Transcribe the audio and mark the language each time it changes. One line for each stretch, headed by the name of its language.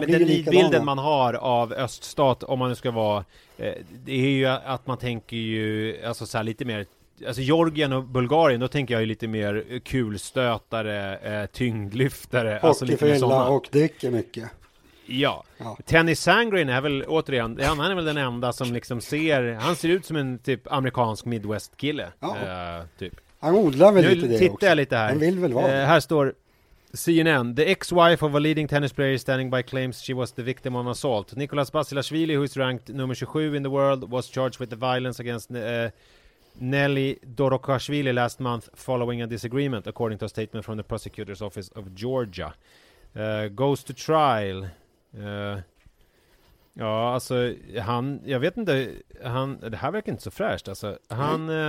Swedish: nej, men den bilden man har av öststat, om man nu ska vara, det är ju att man tänker ju, alltså så här lite mer, alltså Georgien och Bulgarien, då tänker jag ju lite mer kulstötare, tyngdlyftare, alltså lite mer sådana. Och dricker mycket. Ja, Tenny Sandgren är väl återigen, han är väl den enda som liksom ser, han ser ut som en typ amerikansk midwest-kille. Han odlar väl lite det också. Nu tittar jag lite här. Han vill väl vara här står CNN.
English: The ex-wife of a leading tennis player standing by claims she was the victim of assault. Nicolas Basilashvili, who is ranked number 27 in the world, was charged with the violence against Nelly Dorokashvili last month following a disagreement, according to a statement from the prosecutor's office of Georgia. Goes to trial.
Swedish: Ja, alltså han, jag vet inte, han, det här verkar inte så fräscht. Alltså, han...